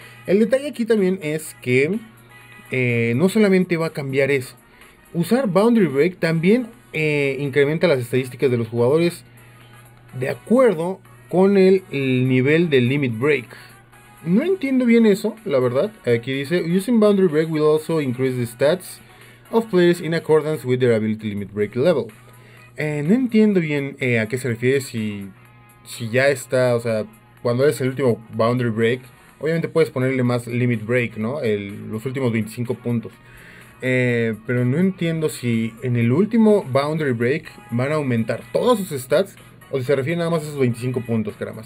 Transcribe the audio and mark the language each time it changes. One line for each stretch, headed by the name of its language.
Spanish: El detalle aquí también es que no solamente va a cambiar eso. Usar Boundary Break también incrementa las estadísticas de los jugadores de acuerdo con el nivel del Limit Break. No entiendo bien eso, la verdad. Aquí dice:
English: Using Boundary Break will also increase the stats of players in accordance with their ability Limit Break level.
Spanish: No entiendo bien a qué se refiere, si ya está, o sea, cuando es el último Boundary Break. Obviamente puedes ponerle más Limit Break, ¿no? Los últimos 25 puntos. Pero no entiendo si en el último Boundary Break van a aumentar todos sus stats o si se refieren nada más a esos 25 puntos, caramba.